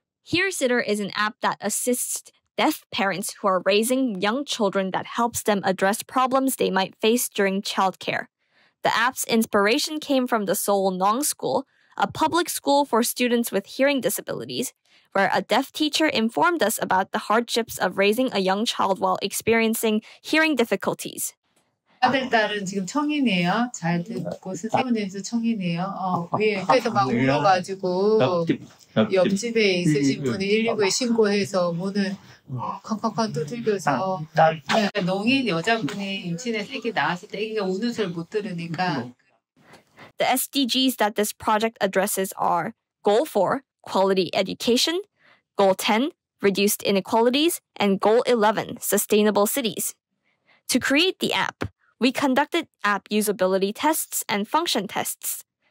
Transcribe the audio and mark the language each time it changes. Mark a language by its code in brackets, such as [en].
[en] HearSitter is an app that assists deaf parents who are raising young children that helps them address problems they might face during childcare. The app's inspiration came from the Seoul Nong School, a public school for students with hearing disabilities, where a deaf teacher informed us about the hardships of raising a young child while experiencing hearing difficulties. [ko] 아들 딸은 지금 청인이에요. 잘 듣고 선생님도 청인이에요. 그래서 막 울어가지고 옆집에 있으신 분이 119에 신고해서 문을 컥컥컥 두들겨서 농인 여자분이 임신해 새끼 낳았을 때 애기가 우는 소리를 못 들으니까 [en] The SDGs that this project addresses are Goal 4, Quality Education, Goal 10, Reduced Inequalities, and Goal 11, Sustainable Cities. To create the app, we conducted app usability tests and function tests.